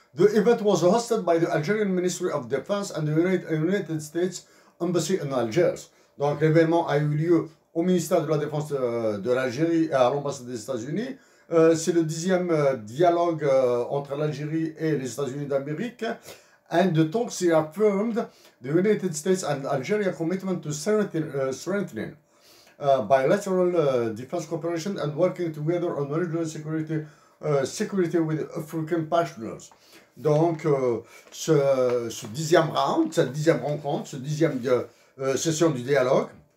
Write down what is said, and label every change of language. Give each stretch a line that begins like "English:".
English: The event was hosted by the Algerian Ministry of Defense and the United States Embassy in Algiers.
French: Donc l'événement a eu lieu au ministère de la Défense de l'Algérie et à l'ambassade des États-Unis. C'est le dixième dialogue entre l'Algérie et les États-Unis d'Amérique.
English: And the talks affirmed the United States and Algeria commitment to strengthening bilateral defense cooperation and working together on regional security with African partners.
French: Donc, ce dixième round, cette dixième rencontre, cette dixième session du dialogue